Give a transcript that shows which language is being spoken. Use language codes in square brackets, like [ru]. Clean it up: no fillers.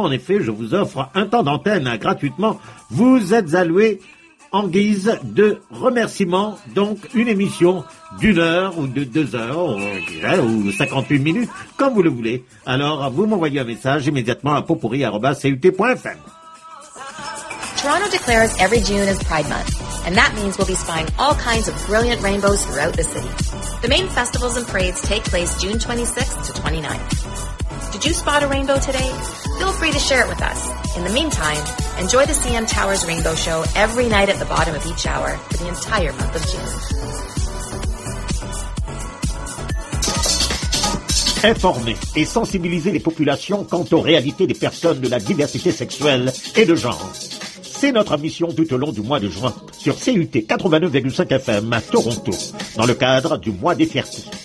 [fr] En effet, je vous offre un temps d'antenne gratuitement. Vous êtes alloués en guise de remerciement, donc une émission d'une heure ou de deux heures, ou 58 minutes, comme vous le voulez. Alors, vous m'envoyez un message immédiatement à popourri@cut.fm. [en] Toronto declares every June is Pride Month, and that means we'll be spying all kinds of brilliant rainbows throughout the city. The main festivals and parades take place June 26th to 29th. Did you spot a rainbow today? Feel free to share it with us. In the meantime, enjoy the CN Tower's Rainbow Show every night at the bottom of each hour for the entire month of June. [fr] Informer et sensibiliser les populations quant aux réalités des personnes de la diversité sexuelle et de genre. C'est notre mission tout au long du mois de juin sur CUT 89,5 FM à Toronto, dans le cadre du mois des fiertés.